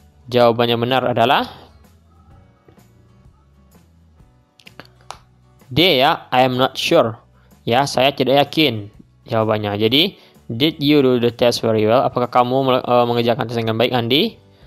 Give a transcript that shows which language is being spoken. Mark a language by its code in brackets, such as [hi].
[id] Jawabannya benar adalah D ya. [en] I'm not sure. [id] Ya, saya tidak yakin. Jawabannya. [en] Jadi, did you do the test very well? [id] Apakah kamu mengerjakan tes dengan baik, Andi?